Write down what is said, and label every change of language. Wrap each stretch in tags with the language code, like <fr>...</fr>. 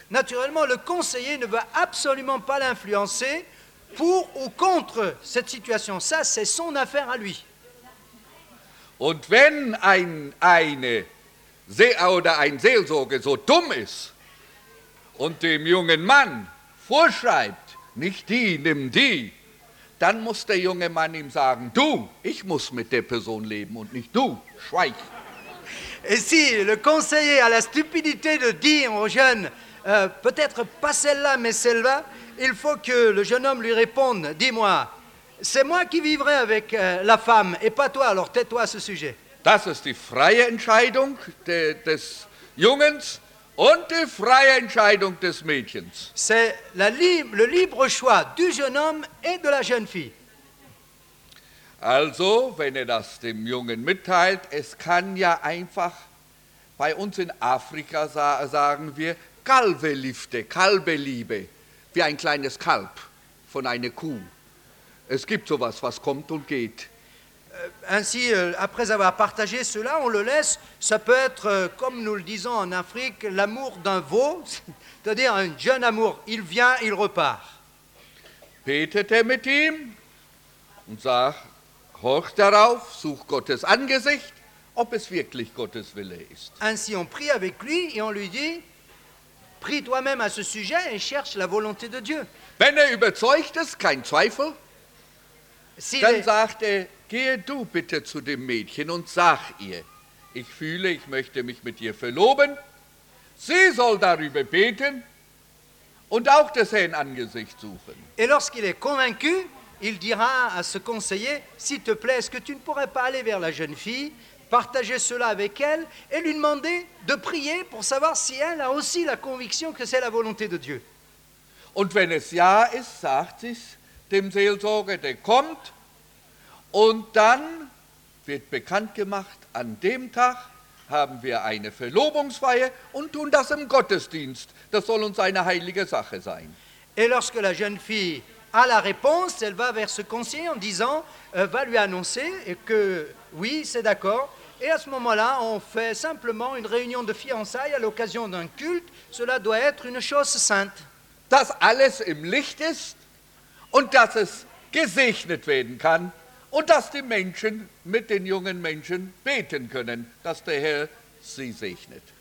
<fr>Naturellement, le conseiller ne va absolument pas l'influencer pour ou contre cette situation. Ça, c'est son affaire à lui.</fr> <de>Und wenn ein Seelsorger so dumm ist und dem jungen Mann vorschreibt, nicht die, nimm die, dann muss der junge Mann ihm sagen, du, ich muss mit der Person leben und nicht du, schweig.</de> <fr>Et si le conseiller a la stupidité de dire au jeune, peut-être pas celle-là, mais celle-là, il faut que le jeune homme lui réponde, dis-moi, c'est moi qui vivrai avec la femme et pas toi, alors tais-toi à ce sujet.</fr> <de>Das ist die freie Entscheidung des Jungens und die freie Entscheidung des Mädchens.</de> <fr>C'est le libre choix du jeune homme et de la jeune fille.</fr> <de>Also, wenn er das dem Jungen mitteilt, es kann ja einfach, bei uns in Afrika sagen wir, Kalbeliebe, wie ein kleines Kalb von einer Kuh. Es gibt sowas, was kommt und geht.</de> <fr>Ainsi, après avoir partagé cela, on le laisse. Ça peut être, comme nous le disons en Afrique, l'amour d'un veau, c'est-à-dire un jeune amour. Il vient, il repart.</fr> <de>Betet er mit ihm und sag, horch darauf, such Gottes Angesicht, ob es wirklich Gottes Wille ist.</de> <fr>Ainsi, on prie avec lui et on lui dit, prie toi-même à ce sujet et cherche la volonté de Dieu.</fr> <de>Wenn er überzeugt ist, kein Zweifel, si dann sagt er, gehe du bitte zu dem Mädchen und sag ihr, ich fühle, ich möchte mich mit ihr verloben. Sie soll darüber beten und auch des Herrn Angesicht suchen.</de> <fr>Et lorsqu'il est convaincu, il dira à ce conseiller, s'il te plaît, est-ce que tu ne pourrais pas aller vers la jeune fille, partager cela avec elle et lui demander de prier pour savoir si elle a aussi la conviction que c'est la volonté de Dieu.</fr> <de>Und wenn es ja ist, sagt es dem Seelsorger, der kommt. Und dann wird bekannt gemacht, an dem Tag haben wir eine Verlobungsfeier und tun das im Gottesdienst. Das soll uns eine heilige Sache sein.</de> <fr>Et lorsque la jeune fille a la réponse, elle va vers ce conseiller en disant, va lui annoncer que oui, c'est d'accord. Et à ce moment-là, on fait simplement une réunion de fiançailles à l'occasion d'un culte. Cela doit être une chose sainte.</fr> <de>Dass alles im Licht ist und dass es gesegnet werden kann. Und dass die Menschen mit den jungen Menschen beten können, dass der Herr sie segnet.</de>